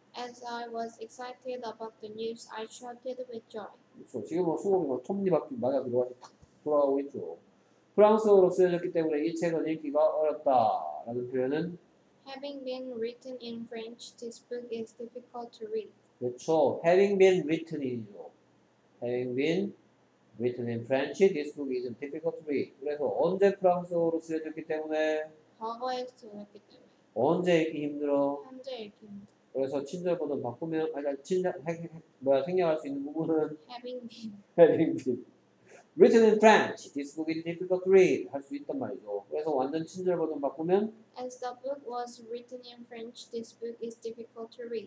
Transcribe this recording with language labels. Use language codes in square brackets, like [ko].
[en] As I was excited about the news, I shouted with joy. [ko] 그렇죠. 지금 뭐 수업이 뭐 톱니바퀴 마냥 돌아가고 있죠. 프랑스어로 쓰여졌기 때문에 이 책은 읽기가 어렵다 라는 표현은 [en] Having been written in French, this book is difficult to read. [ko] 그렇죠. [en] Having been written in Having been written in French, this book is difficult to read. [ko] 그래서 언제 프랑스어로 쓰여졌기 때문에 과거에 쓰여졌기 때문에 언제 읽기 힘들어 현재 읽기 힘들어 그래서 친절 번호 바꾸면 아니 뭐야 생략할 수 있는 부분은 [en] having been written in French, this book is difficult to read 할 수 있단 말이죠. [ko] 그래서 완전 친절 번호 바꾸면 [en] as the book was written in French, this book is difficult to read.